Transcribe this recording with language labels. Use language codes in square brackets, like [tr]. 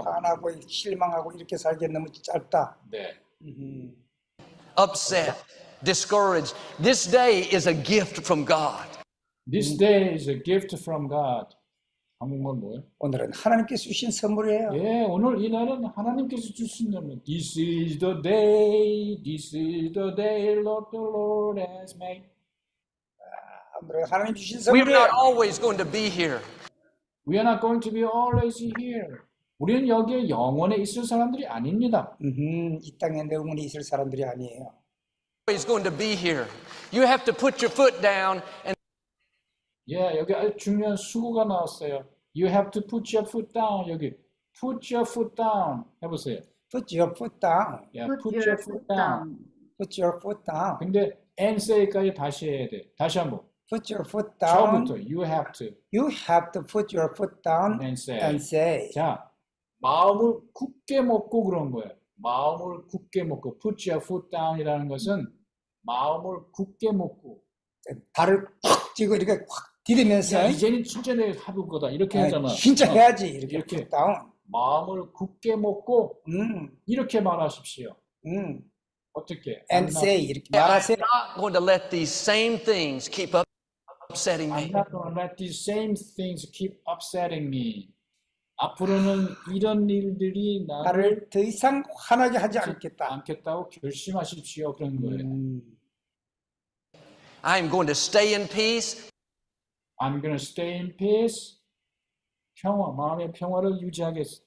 [ko] 화나고 실망하고 이렇게 살기에는 너무 짧다. 네. [en] Upset, discouraged. This day is a gift from God. This day is a gift from God. [ko] 한국말 뭐예요? 오늘은 하나님께서 주신 선물이에요. 예, 오늘 이날은 하나님께서 주신 선물. [en] This is the day, this is the day Lord the Lord has made. [ko] 하나님 주신 선물이에요. [en] We are not always going to be here. We are not going to be always here. [ko] 우리는 여기에 영원에 있을 사람들이 아닙니다. 이 땅에 영원히 있을 사람들이 아니에요. [en] Always going to be here. You have to put your foot down and [ko] 예, 여기 아주 중요한 수고가 나왔어요. [en] You have to put your foot down. 여기 put your foot down 해보세요. Put your foot down. Yeah, put your foot down. Put your foot down. [ko] 근데 [en] and say [ko] 까지 다시 해야 돼. 다시 한번. [en] Put your foot down. [ko] 처음부터 [en] you have to. You have to put your foot down and say. And say. [ko] 자, 마음을 굳게 먹고 그런 거예요. 마음을 굳게 먹고 [en] put your foot down [ko] 이라는 것은 마음을 굳게 먹고 발을 팍 찍고 이렇게 확 디디면서 이제는 진짜 내 하는 거다 이렇게 하잖아. 진짜 해야지 이렇게 다운. 마음을 굳게 먹고 이렇게 말하십시오. 어떻게? [en] And say [ko] 이렇게 말하세요. [en] I'm not going to let these same things keep upsetting me. I'm not going to let these same things keep upsetting me. [ko] 앞으로는 이런 일들이 나를 더 이상 화나게 하지 않겠다. 않겠다고 결심하십시오. 그런 거예요. [en] I'm going to stay in peace. I'm going to stay in peace. [ko] 평화, 마음의 평화를 유지하겠다.